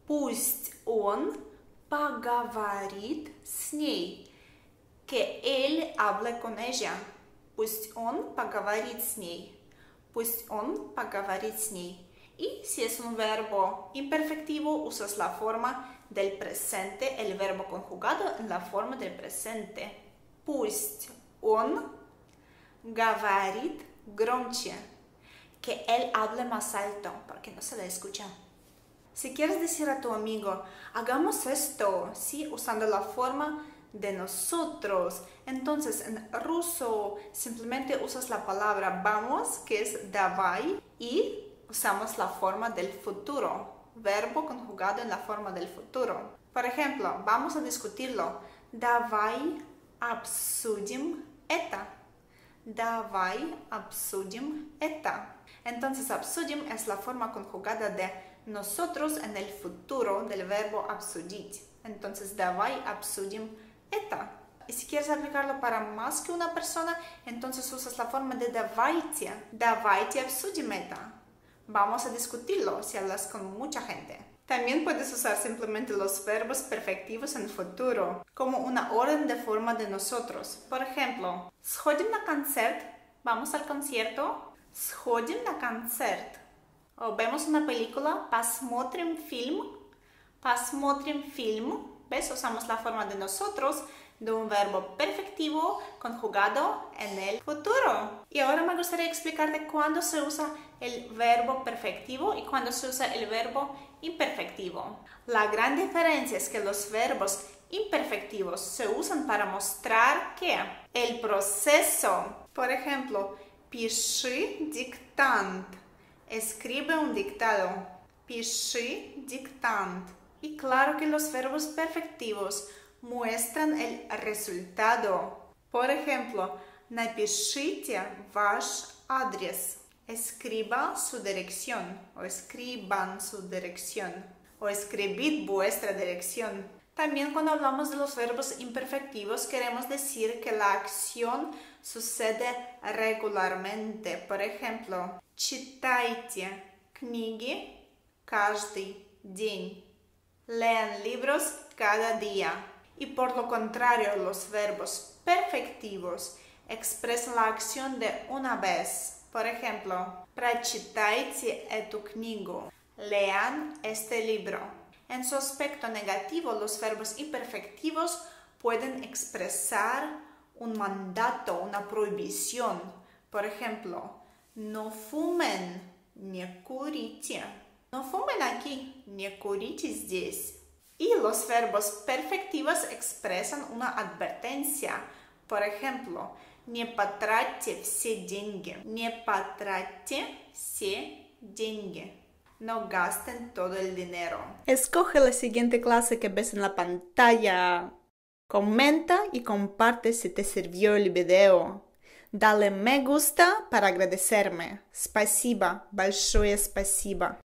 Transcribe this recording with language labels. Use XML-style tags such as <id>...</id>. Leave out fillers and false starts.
<ru>Пусть он поговорит с ней.</ru> <es>Que él hable con ella.</es> <ru>Пусть он поговорит с ней. Пусть он поговорит с ней.</ru> <es>Y si es un verbo imperfectivo, usas la forma del presente, el verbo conjugado en la forma del presente.</es> <ru>Пусть он говорит громче,</ru> <es>que él hable más alto, porque no se le escucha. Si quieres decir a tu amigo, hagamos esto, ¿sí? Usando la forma de nosotros. Entonces, en ruso simplemente usas la palabra vamos, que es давай, y usamos la forma del futuro, verbo conjugado en la forma del futuro. Por ejemplo, vamos a discutirlo.</es> <ru>Давай обсудим это. Давай обсудим это.</ru> <es>Entonces,</es> <ru>обсудим</ru> <es>es la forma conjugada de nosotros en el futuro del verbo</es> <ru>обсудить.</ru> <es>Entonces,</es> <ru>давай обсудим это.</ru> <es>Y si quieres aplicarlo para más que una persona, entonces usas la forma de</es> <ru>давайте. Давайте обсудим это.</ru> <es>Vamos a discutirlo si hablas con mucha gente. También puedes usar simplemente los verbos perfectivos en futuro, como una orden de forma de nosotros. Por ejemplo,</es> <ru>¿сходим на концерт?</ru> <es>¿Vamos al concierto?</es> <ru>¿Сходим на концерт?</ru> <es>¿O vemos una película?</es> <ru>¿Посмотрим фильм? ¿Посмотрим фильм?</ru> <es>¿Ves? Usamos la forma de nosotros de un verbo perfectivo conjugado en el futuro. Y ahora me gustaría explicarte cuándo se usa el verbo perfectivo y cuándo se usa el verbo imperfectivo. La gran diferencia es que los verbos imperfectivos se usan para mostrar que el proceso. Por ejemplo,</es> <ru>пиши диктант.</ru> <es>Escribe un dictado. Пиши диктант. Y claro que los verbos perfectivos muestran el resultado. Por ejemplo,</es> <ru>напишите ваш адрес.</ru> <es>Escriba su dirección. O escriban su dirección. O escribid vuestra dirección. También cuando hablamos de los verbos imperfectivos, queremos decir que la acción sucede regularmente. Por ejemplo,</es> <ru>читайте книги каждый день.</ru> <es>Lean libros cada día. Y por lo contrario, los verbos perfectivos expresan la acción de una vez. Por ejemplo,</es> <ru>прочитайте эту книгу.</ru> <es>Lean este libro. En su aspecto negativo, los verbos imperfectivos pueden expresar un mandato, una prohibición. Por ejemplo, no fumen,</es> <ru>не курите.</ru> <es>No fumen aquí,</es> <ru>не курите здесь.</ru> <es>Y los verbos perfectivos expresan una advertencia. Por ejemplo,</es> <ru>не потратьте все деньги. Не потратьте все деньги.</ru> <es>No gasten todo el dinero. Escoge la siguiente clase que ves en la pantalla. Comenta y comparte si te sirvió el video. Dale me gusta para agradecerme.</es> <ru>Спасибо, большое спасибо.</ru>